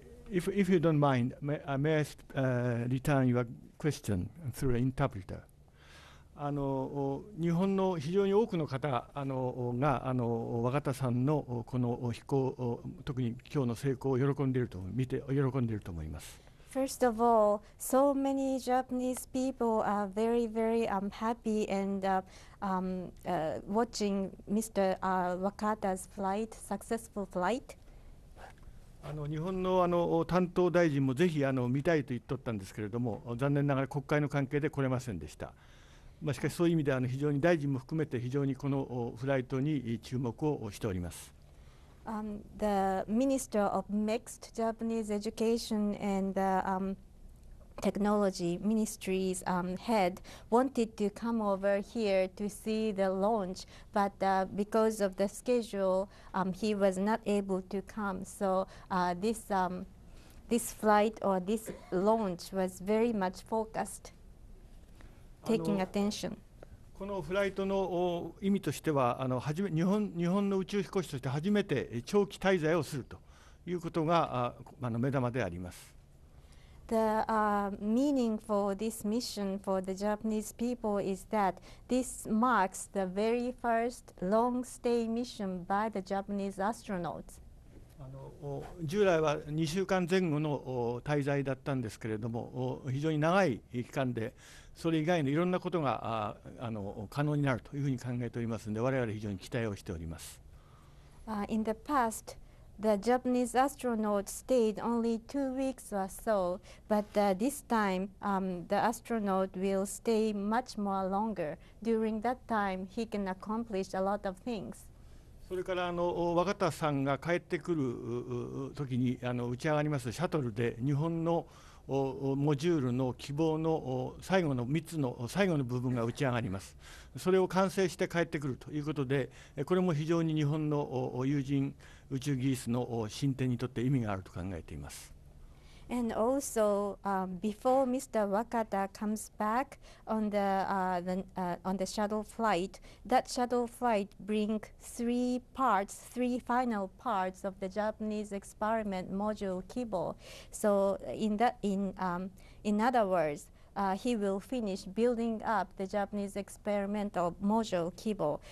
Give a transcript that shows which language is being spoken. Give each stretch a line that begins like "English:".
English: If you don't mind, may I return your question through an interpreter.
Japanese: 日本の非常に多くの方が若田さんのこの飛行、特に今日の成功を喜んでいると思います。
English: First of all, so many Japanese people are very, very happy and watching Mr. Wakata's flight, successful flight.
Japanese: 日本の担当大臣もぜひ見たいと言っとったんですけれども、残念ながら国会の関係で来れませんでした。まあ、しかしそういう意味で非常に大臣も含めて非常にこのフライトに注目をしております。
English: The Minister of Mixed Japanese Education and the Technology Ministry's head wanted to come over here to see the launch, but because of the schedule, he was not able to come. So this flight or this launch was very much focused. Taking attention.
Japanese: このフライトの意味としては、日本の宇宙飛行士として初めて長期滞在をするということが目玉であります。
English: The meaning for this mission for the Japanese people is that this marks the very first long stay mission by the Japanese astronauts.
Japanese: 従来は2週間前後の滞在だったんですけれども、非常に長い期間で、それ以外のいろんなことが可能になるというふうに考えておりますので、我々非常に期待をしております。
English: In the past, the Japanese astronauts stayed only 2 weeks or so, but this time, the astronaut will stay much more longer. During that time, he can accomplish a lot of things.
Japanese: それから若田さんが帰ってくるときに打ち上がりますシャトルで、日本のモジュールの希望の最後の3つの最後の部分が打ち上がります。それを完成して帰ってくるということで、これも非常に日本の有人宇宙技術の進展にとって意味があると考えています。
English: And also, before Mr. Wakata comes back on the shuttle flight, that shuttle flight brings three final parts of the Japanese experiment module Kibo. So in other words, he will finish building up the Japanese experimental module Kibo.